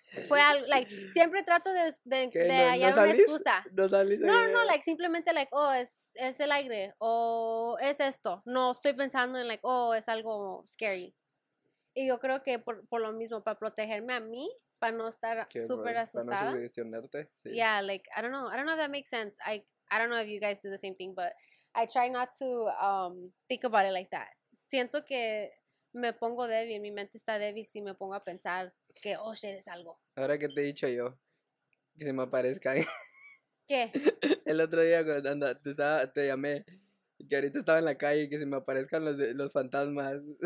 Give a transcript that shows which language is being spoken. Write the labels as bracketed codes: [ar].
[es] Fue algo, like, siempre trato de no, hallar, ¿no salís? Una excusa. ¿No salís? No, no, like, simplemente, like, oh, es el aire, o es esto. No estoy pensando en, like, oh, es algo scary. Y yo creo que por lo mismo, para protegerme a mí, para no estar súper asustada. Para no sugestionarte. Sí. [en] Yeah, like, I don't know if that makes sense. I don't know if you guys do the same thing, but I try not to think about it like that. [es] Siento que me pongo débil, mi mente está débil si me pongo a pensar que, oh, shit, eres algo. Ahora que te he dicho yo, que se me aparezca. ¿Qué? El otro día cuando te llamé, que ahorita estaba en la calle, que se me aparezcan los fantasmas.